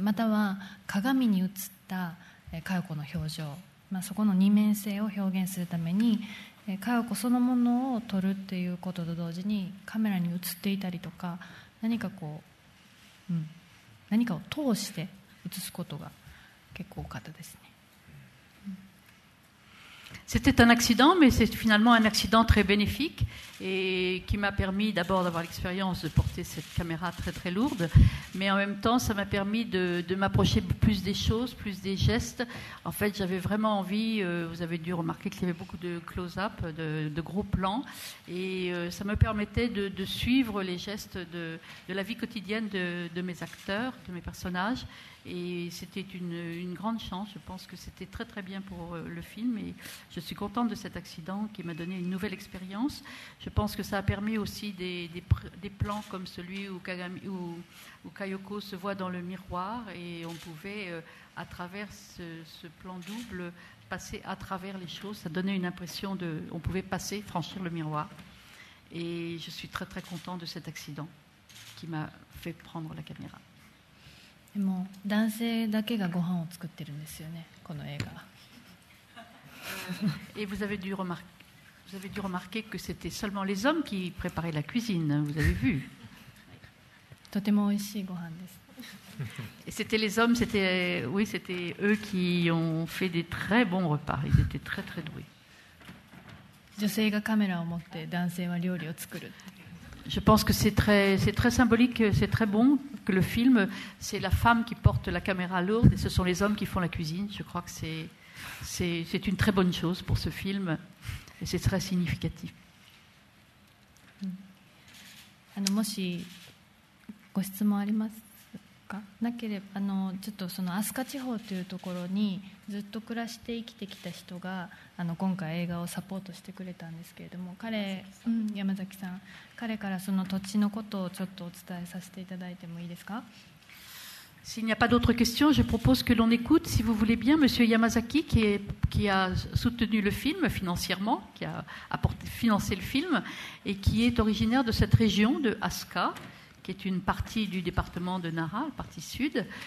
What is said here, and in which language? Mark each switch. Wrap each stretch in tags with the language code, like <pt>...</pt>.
<ja>または鏡に映った佳代子の表情、まあ、そこの二面性を表現するために佳代子そのものを撮るということと同時にカメラに映っていたりとか、何かこう、何かを通して映すことが結構多かったですね。</ja> <fr>C'était un accident, mais c'est finalement un accident très bénéfique et qui m'a permis d'abord d'avoir l'expérience de porter cette caméra très très lourde, mais en même temps ça m'a permis de m'approcher plus des choses, plus des gestes. En fait, j'avais vraiment envie, vous avez dû remarquer qu'il y avait beaucoup de close-up, de gros plans, et ça me permettait de suivre les gestes de la vie quotidienne de mes acteurs, de mes personnages. Et c'était une grande chance. Je pense que c'était très très bien pour le film. Et je suis contente de cet accident qui m'a donné une nouvelle expérience. Je pense que ça a permis aussi des plans comme celui où Kayoko se voit dans le miroir et on pouvait, à travers ce plan double, passer à travers les choses. Ça donnait une impression de, on pouvait passer, franchir le miroir. Et je suis très très contente de cet accident qui m'a fait prendre la caméra.</fr> <ja>でも男性だけがご飯を作ってるんですよね、この映画。</ja> <fr>Et vous avez dû remarquer que c'était seulement les hommes qui préparaient la cuisine, vous avez vu.</fr> <ja>とても美味しいご飯です。</ja> <fr>C'était les hommes, c'était, oui, c'était eux qui ont fait des très bons repas. Ils étaient très très doués.</fr> <ja>女性がカメラを持って男性は料理を作る。</ja> <fr>Je pense que c'est très symbolique, c'est très bon que le film, c'est la femme qui porte la caméra lourde et ce sont les hommes qui font la cuisine. Je crois que c'est une très bonne chose pour ce film et c'est très significatif.</fr> <ja>もしご質問ありますか？なければ、ちょっとその飛鳥地方というところにずっと暮らして生きてきた人が今回映画をサポートしてくれたんですけれども彼、山崎さん、彼からその土地のことをちょっとお伝えさせていただいてもいいですか？</ja> <fr>S'il n'y a pas d'autres questions, je propose que l'on écoute, si vous voulez bien, Monsieur Yamazaki, qui a soutenu le film financièrement, qui a apporté, financé le film, et qui est originaire de cette région de Asuka, qui est une partie du département de Nara, la partie sud.</fr>